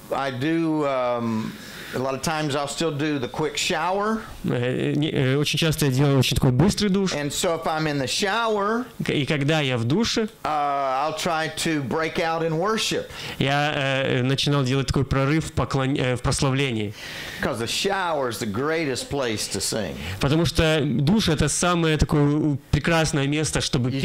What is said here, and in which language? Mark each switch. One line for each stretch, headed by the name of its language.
English: I do a lot of times I'll still do the quick shower.
Russian: Очень часто я делаю очень такой быстрый душ.
English: And so if I'm in the shower,
Russian: и когда я в душе,
English: I'll try to break out in worship.
Russian: Я начинал делать такой прорыв в прославлении.
English: Because the shower is the greatest place to sing.
Russian: Потому что душ это самое такое прекрасное место, чтобы петь.